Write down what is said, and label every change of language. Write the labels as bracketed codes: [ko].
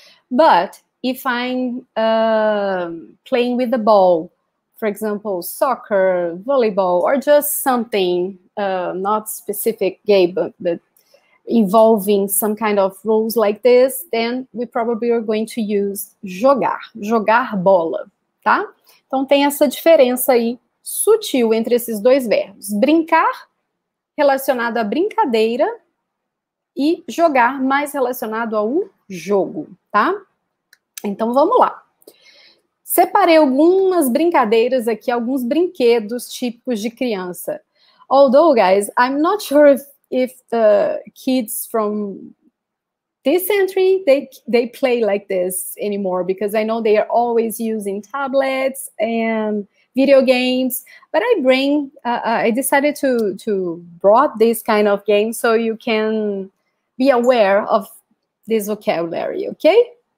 [en] But if I'm playing with a ball, for example, soccer, volleyball, or just something not specific game, but involving some kind of rules like this, then we probably are going to use jogar. [pt] Jogar bola, tá? Então tem essa diferença aí sutil entre esses dois verbos. Brincar, relacionado à brincadeira, e jogar, mais relacionado ao jogo, tá? Então, vamos lá. Separei algumas brincadeiras aqui, alguns brinquedos típicos de criança. [en] Although, guys, I'm not sure if the kids from this century, they play like this anymore, because I know they are always using tablets and video games, but I decided to brought this kind of game so you can be aware of this vocabulary, okay?